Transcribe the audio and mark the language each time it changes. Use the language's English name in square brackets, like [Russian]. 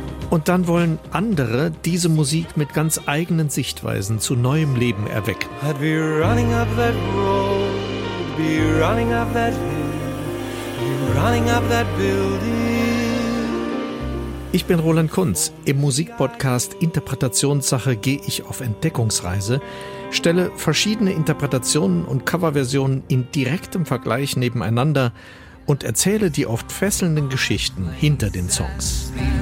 [German] Und dann wollen andere diese Musik mit ganz eigenen Sichtweisen zu neuem Leben erwecken. [English] I'd be running up that road, be running up that hill, be running up that building. [German] Ich bin Roland Kunz. Im Musikpodcast Interpretationssache gehe ich auf Entdeckungsreise, stelle verschiedene Interpretationen und Coverversionen in direktem Vergleich nebeneinander und erzähle die oft fesselnden Geschichten hinter den Songs.